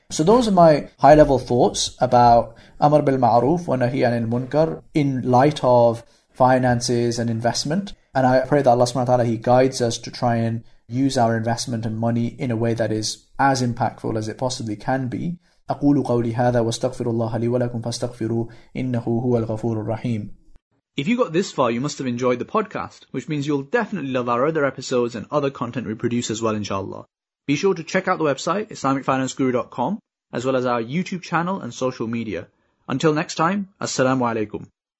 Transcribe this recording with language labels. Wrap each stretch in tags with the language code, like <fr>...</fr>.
<en>So those are my high-level thoughts about Amr bil Ma'ruf wa Nahi anil Munkar in light of finances and investment. And I pray that Allah subhanahu wa ta'ala, He guides us to try and use our investment and money in a way that is as impactful as it possibly can be.</en> <ar>أقول قولي هذا واستغفر الله لي ولكم فاستغفروا إنه هو الغفور الرحيم.</ar> <en>If you got this far, you must have enjoyed the podcast, which means you'll definitely love our other episodes and other content we produce as well, inshallah. Be sure to check out the website, islamicfinanceguru.com, as well as our YouTube channel and social media. Until next time, Assalamu alaikum.</en>